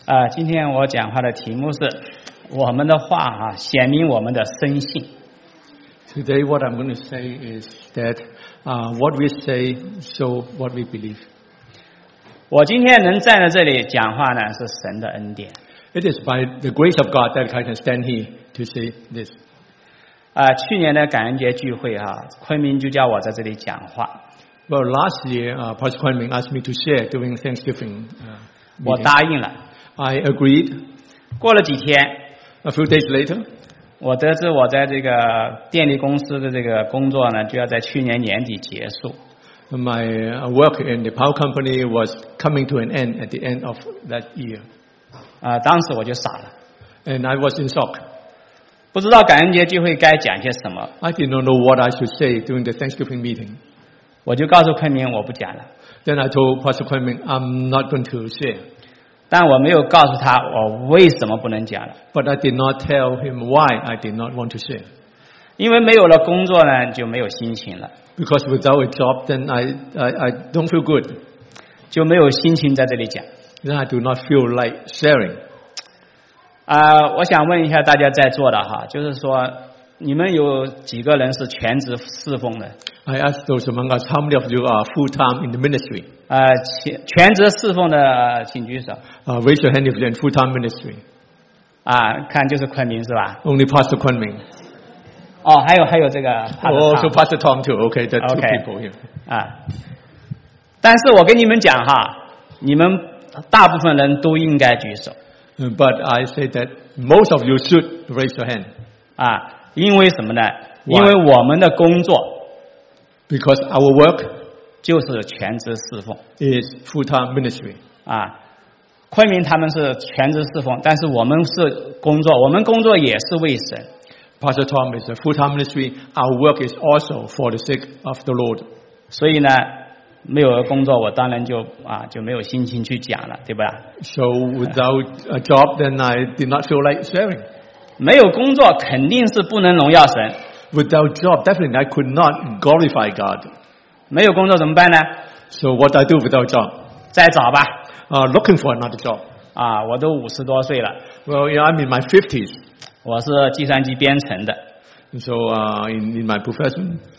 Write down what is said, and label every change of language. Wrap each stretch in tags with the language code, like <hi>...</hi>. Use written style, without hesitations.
<zh>今天我讲话的题目是我们的话啊，显明我们的深信。</zh> <en>Today what I'm going to say is that what we say show what we believe.</en> <zh>我今天能站在这里讲话呢，是神的恩典。</zh> <en>It is by the grace of God that I can stand here to say this.</en> <zh>去年的感恩节聚会啊，昆明就叫我在这里讲话。</zh> <en>Well, last year, Pastor Kuan Ming asked me to share during Thanksgiving.</en> <zh>我答应了。</zh> <en>I agreed.</en> <zh>过了几天。</zh> <en>A few days later.</en> <zh>我得知我在这个电力公司的这个工作呢，就要在去年年底结束。</zh> <en>My work in the power company was coming to an end at the end of that year.</en> <zh>当时我就傻了。</zh> <en>And I was in shock.</en> <zh>不知道感恩节聚会该讲些什么。</zh> <en>I did not know what I should say during the Thanksgiving meeting.</en> <zh>我就告诉昆明我不讲了。</zh> <en>Then I told Pastor Kuan Ming I'm not going to share.</en> <zh>但我没有告诉他我为什么不能讲了。</zh> <en>But I did not tell him why I did not want to share.</en> <zh>因为没有了工作呢，就没有心情了。</zh> <en>Because without a job, then I don't feel good.</en> <zh>就没有心情在这里讲。</zh> <en>Then I do not feel like sharing.</en> <zh>我想问一下大家在座的哈，就是说。你们有几个人是全职侍奉的</zh> <en>？I ask those among us, how many of you are full time in the ministry?</en> <zh>全职侍奉的请举手。</zh> <en>Raise your hand if you're in full time ministry.</en> <zh>看就是昆明是吧</zh> <en>？Only Pastor 昆明。</en> <zh>哦，还有这个。</zh> <en>Also Pastor Tom too. Okay, the two people here.</en> <zh>但是我跟你们讲哈，你们大部分人都应该举手。</zh> <en>But I say that most of you should raise your hand.</en> <zh>因为什么呢？</zh> <en>Why?</en> <zh>因为我们的工作</zh> <en>，because our work</en> <zh>就是全职侍奉</zh> <en>，is full time ministry 啊。</en> <zh>昆明他们是全职侍奉，但是我们是工作，我们工作也是为神。</zh> <en>Pastor Tom is a full time ministry. Our work is also for the sake of the Lord.</en> <zh>所以呢，没有工作，我当然就没有心情去讲了，对吧</zh> <en>？So without a job, then I did not feel like sharing.</en> <zh>没有工作肯定是不能荣耀神。</zh> <en>Without job, definitely I could not glorify God.</en> <zh>没有工作怎么办呢</zh> <en>？So what I do without job?</en> <zh>再找吧。</zh> <en>Looking for another job.</en> <zh>我都五十多岁了。</zh> <en>Well, yeah, I'm in my fifties.</en> <zh>我是计算机编程的。</zh> <en>So in my profession.</en>